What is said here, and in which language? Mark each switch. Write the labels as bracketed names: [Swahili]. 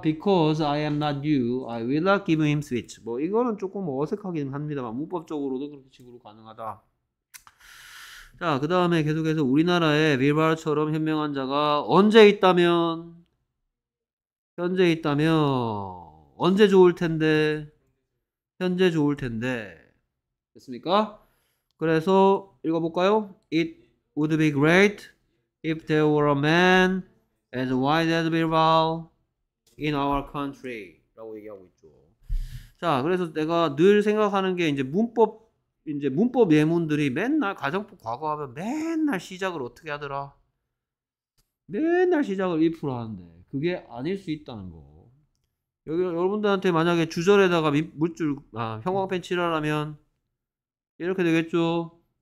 [English] Because I am not you, I will not give him switch. [Korean] 뭐 이거는 조금 어색하긴 합니다만 문법적으로도 그런 식으로 가능하다. 자, 그 다음에 계속해서 우리나라의 비발처럼 현명한 자가 언제 있다면 현재 있다면 언제 좋을 텐데 현재 좋을 텐데 됐습니까? 그래서 읽어볼까요? [English] It would be great if there were a man as wise as Birbal in our country [Korean] 라고 얘기하고 있죠. 자, 그래서 내가 늘 생각하는 게 이제 문법 예문들이 맨날 가정법 과거하면 맨날 시작을 어떻게 하더라? 맨날 시작을 if로 하는데 그게 아닐 수 있다는 거. 여기 여러분들한테 만약에 주절에다가 형광펜 칠하라면 이렇게 되겠죠.